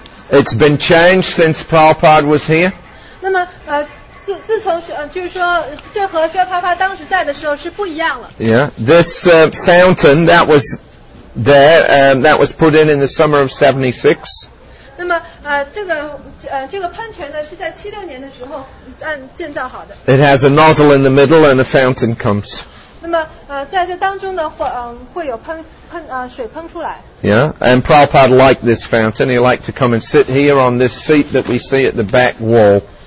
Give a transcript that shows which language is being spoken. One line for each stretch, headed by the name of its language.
English: It's been changed since Prabhupada was here.
Chinese: 那么，自从就是说，这和薛帕帕当时在的时候是不一样了。
English: Yeah, this fountain that was there, that was put in the summer of 76.
Chinese: 那么，这个喷泉呢，是在76年的时候建造好的。
English: It has a nozzle in the middle and a fountain comes.
Chinese: 那么，在这当中呢，会有水喷出来。
English: Yeah, and Prabhupada liked this fountain. He liked to come and sit here on this seat that we see at the back wall.